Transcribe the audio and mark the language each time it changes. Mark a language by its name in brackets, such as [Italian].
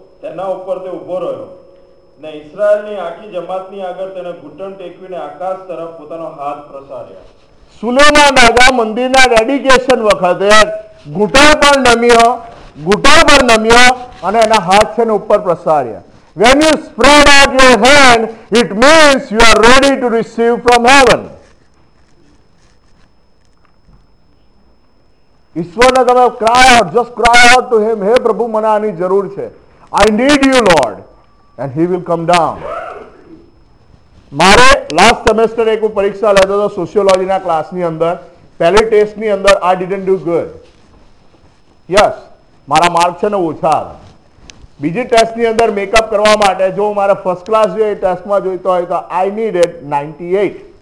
[Gujarati] તેના ઉપર તે ઊભો રહ્યો ને ઇઝરાયલની આખી જમાતની આગળ તેને ઘૂંટણ ટેકવીને આકાશ તરફ પોતાનો હાથ પ્રસાર્યો. સુલેમાન રાજા મંદિરના ડેડિકેશન વખતે ઘૂંટણ પર નમ્યો, ઘૂંટણ પર નમ્યો અને એના હાથ છે ને ઉપર પ્રસાર્યા. [English] When you spread out your hand, it means you are ready to receive from heaven. [Gujarati] Ishwarna tame [English] cry out, just cry out to him, [Gujarati] hey Prabhu mane ani jarur chhe, [English] I need you Lord, and he will come down. [Gujarati] મારે last semester એક પરીક્ષા લેતો હતો સોશિયોલોજીના ક્લાસની અંદર, પહેલી ટેસ્ટની અંદર [English] I didn't do good, [Gujarati] યસ મારા માર્ક છે ને ઓછા આવ્યા. બીજી ટેસ્ટની અંદર મેકઅપ કરવા માટે જો મારે ફર્સ્ટ ક્લાસ જોઈએ ટેસ્ટમાં જોઈતો હોય તો [English] I need it 98.